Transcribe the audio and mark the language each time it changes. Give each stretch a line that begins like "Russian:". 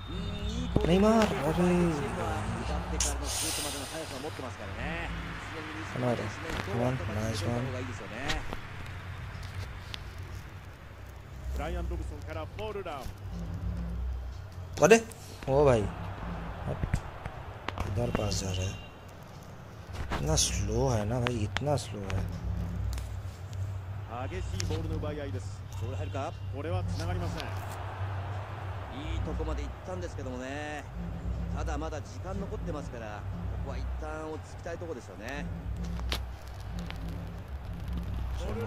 Japanese: んーいいボールネイマールあれーシュートからのシュートまでの速さを持ってますからねこの間ワンナイスワンナイスワンブライアン・ロブソンからフォールダウンあれ?
Hindi: おお、バイ इधर पास जा रहा है इतना स्लो है ना भाई इतना स्लो है
Japanese: 激しいボールの奪い合いですどう入るか? これは繋がりませんいいとこまで行ったんですけどもねただまだ時間残ってますからここは一旦落ち着きたいとこですよねフォールダ